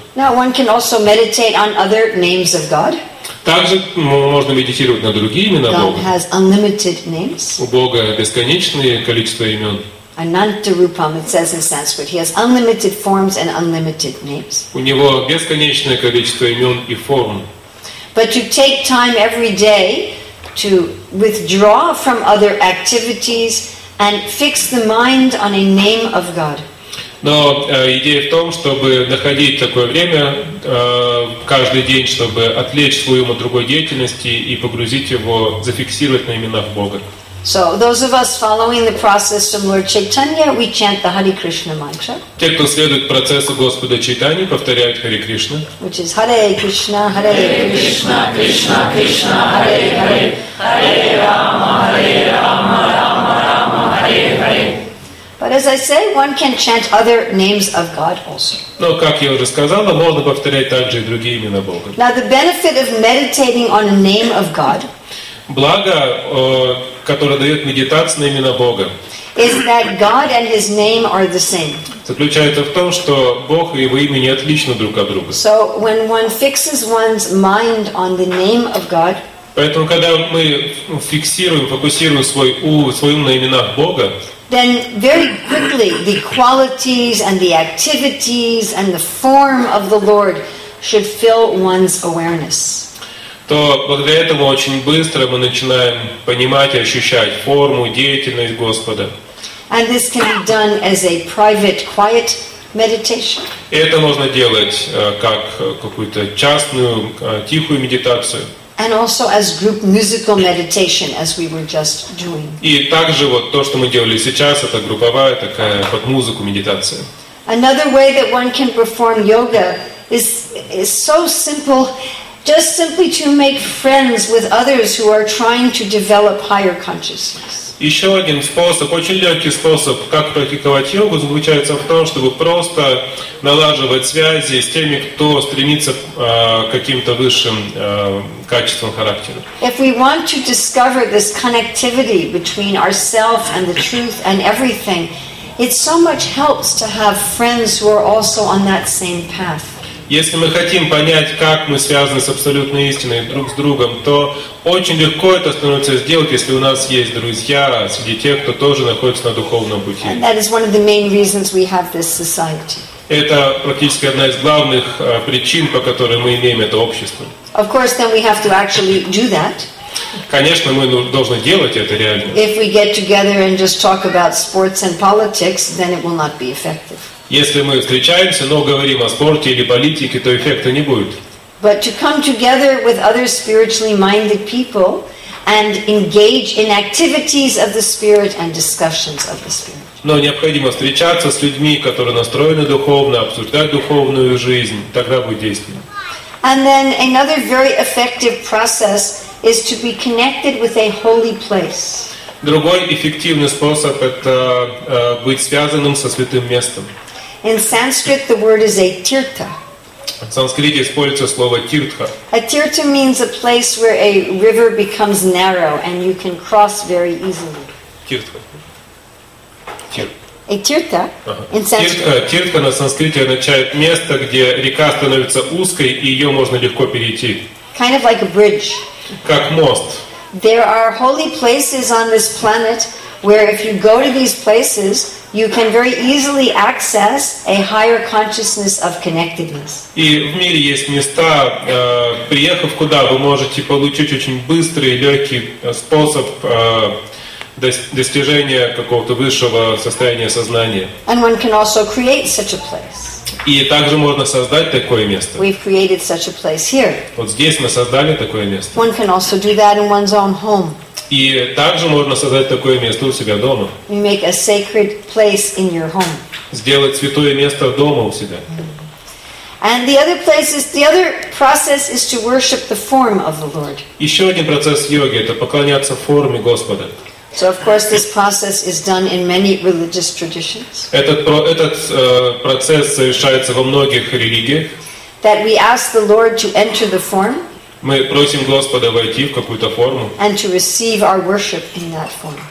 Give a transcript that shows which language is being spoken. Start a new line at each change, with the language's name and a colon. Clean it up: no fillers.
English: Now one can also meditate on other names of God.
Russian: Также можно медитировать на другие имена Бога.
English: God has unlimited names.
Russian: У Бога бесконечное количество имен.
Sanskrit: Ananta Rupam,
English: it says in Sanskrit, he has unlimited forms and unlimited names.
Russian: У него бесконечное количество имен и форм.
English: But you take time every day to withdraw from other activities and fix the mind on a name of God.
Russian: Но идея в том, чтобы находить такое время каждый день, чтобы отвлечь свой ум от другой деятельности и погрузить его, зафиксировать на именах Бога.
English: So those of us following the process from Lord Chaitanya, we chant the Hare Krishna mantra.
Russian: Те, кто следует процессу Господа Чайтани, повторяют Харе Кришна.
English: Which is Hare Krishna, Hare Krishna,
Sanskrit: Hare Krishna, Krishna Krishna, Hare Hare, Hare Rama, Hare Rama, Rama Rama, Hare Hare.
English: But as I say, one can chant other names of God also.
Russian: Но как я уже сказала, можно повторять также и другие имена Бога.
English: Now the benefit of meditating on a name of God.
Russian: Благо, которое дает медитация на имена Бога,
English: is that God and His name are the same.
Russian: Заключается в том, что Бог и Его имя не отличны друг от друга.
English: So when one fixes one's mind on the name of God,
Russian: поэтому когда мы фокусируем свой ум на именах Бога,
English: then very quickly the qualities and the activities and the form of the Lord should fill one's awareness.
Russian: То благодаря этому очень быстро мы начинаем понимать и ощущать форму, деятельность Господа.
English: And this can be done as a private, quiet meditation.
Russian: И это можно делать как какую-то частную, тихую медитацию.
English: And also as group musical meditation, as we were just doing.
Russian: И также вот то, что мы делали сейчас, это групповая такая под музыку медитация.
English: Another way that one can perform yoga is so simple. Just simply to make friends with others who are trying to develop higher consciousness.
Russian: Еще один способ, очень легкий способ, как практиковать йогу, заключается в том, чтобы просто налаживать связи с теми, кто стремится к каким-то высшим качествам характера.
English: If we want to discover this connectivity between ourselves and the truth and everything, it so much helps to have friends who are also on that same path.
Russian: Если мы хотим понять, как мы связаны с абсолютной истиной друг с другом, то очень легко это становится сделать, если у нас есть друзья среди тех, кто тоже находится на духовном пути.
English: And that is one of the main reasons we have this society.
Russian: Это практически одна из главных причин, по которой мы имеем это общество.
English: Of course, then we have to actually do that.
Russian: Конечно, мы должны делать это реально.
English: If we get together and just talk about sports and politics, then it will not be effective.
Russian: Если мы встречаемся, но говорим о спорте или политике, то эффекта не будет.
English: But to come together with other spiritually minded people and engage in activities of the spirit and discussions of the spirit.
Russian: Но необходимо встречаться с людьми, которые настроены духовно, обсуждать духовную жизнь, тогда будет действенно.
English: And then another very effective process is to be connected with a holy place.
Russian: Другой эффективный способ – это быть связанным со святым местом.
English: In Sanskrit, the word is a tirtha.
Russian: В санскрите используется слово тиртха.
English: A tirtha means a place where a river becomes narrow and you can cross very easily.
Russian: Тиртха.
English: A tirtha. In Sanskrit.
Russian: Тиртха на санскрите означает место, где река становится узкой и ее можно легко перейти.
English: Kind of like a bridge.
Russian: Как мост.
English: There are holy places on this planet where if you go to these places, you can very easily access a higher consciousness of connectedness.
Russian: И в мире есть места, приехав куда, вы можете получить очень быстрый, легкий способ достижения какого-то высшего состояния сознания.
English: And one can also create such a place.
Russian: И также можно создать такое место.
English: We've created such a place here.
Russian: Вот здесь мы создали такое место.
English: One can also do that in one's own home.
Russian: И также можно создать такое место у себя дома.
English: You make a sacred place in your home.
Russian: Сделать святое место дома у себя.
English: And the other place is the other process is to worship the form of the Lord.
Russian: Еще один процесс йоги – это поклоняться форме Господа.
English: So of course this process is done in many religious traditions.
Russian: Этот процесс совершается во многих религиях.
English: That we ask the Lord to enter the form.
Russian: Мы просим Господа войти в какую-то форму.
English: And to receive our worship in that form.